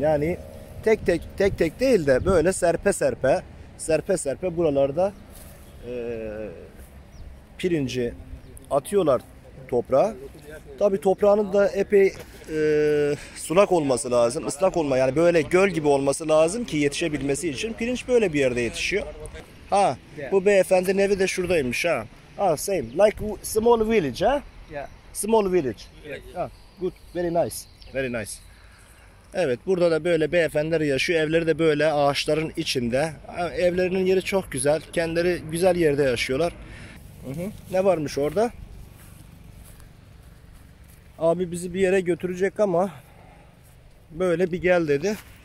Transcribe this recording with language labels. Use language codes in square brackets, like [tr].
[tr] Yani tek tek değil de böyle serpe serpe buralarda pirinci atıyorlar toprağa. Tabi toprağının da epey sulak olması lazım. Islak olma yani böyle göl gibi olması lazım ki yetişebilmesi için. Pirinç böyle bir yerde yetişiyor. Ha bu beyefendi evi de şuradaymış ha. [en] Ha same. Like small village ha? Yeah. Small village. Ha, good. Very nice. [tr] Evet, burada da böyle beyefendiler yaşıyor. Evleri de böyle ağaçların içinde. Evlerinin yeri çok güzel. Kendileri güzel yerde yaşıyorlar. Ne varmış orada? Abi bizi bir yere götürecek ama böyle bir gel dedi.